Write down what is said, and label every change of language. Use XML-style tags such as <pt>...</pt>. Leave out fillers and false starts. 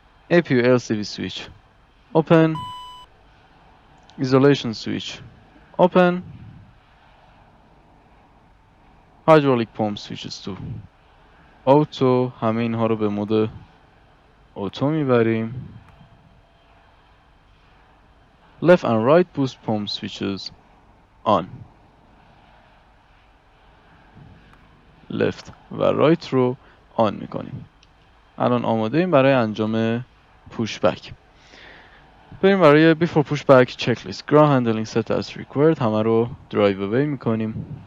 <en>APU LCV switch open. Isolation switch open. Hydraulic pump switches to auto.</en> <fa>همه اینها رو به مود auto میبریم.</fa> <en>Left and right boost pump switches on.</en> <fa>Left و right رو on میکنیم. الان آماده ایم برای انجام push back. بریم برای</fa> <en>before pushback checklist. Ground handling set as required.</en> <fa>همه رو drive away میکنیم.</fa>